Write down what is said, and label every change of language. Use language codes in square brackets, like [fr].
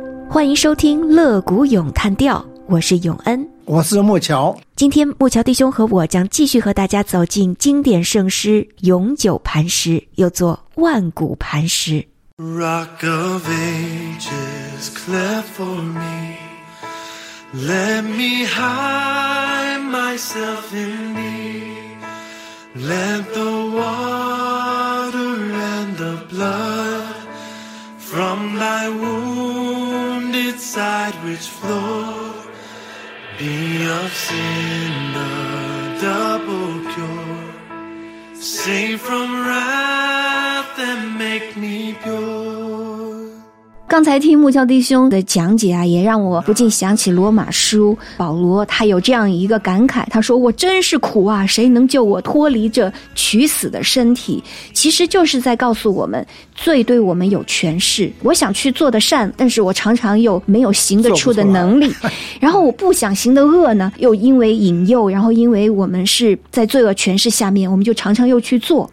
[zh] 欢迎收听肋骨咏叹调，我是永恩。我是莫乔。今天莫乔弟兄和我将继续和大家走进经典圣诗《永久磐石》，又作《万古磐石》。 [en] Rock of ages, cleft for me, let me hide myself in thee. Let the water and the blood from thy wounded side which flowed be of sin the double cure. Save from wrath and make me pure. [zh] 刚才听穆教弟兄的讲解啊，也让我不禁想起罗马书保罗，他有这样一个感慨，他说，我真是苦啊，谁能救我脱离这取死的身体。其实就是在告诉我们，罪对我们有权势，我想去做的善，但是我常常又没有行得出的能力，然后我不想行的恶呢，又因为引诱，然后因为我们是在罪恶权势下面，我们就常常又去做。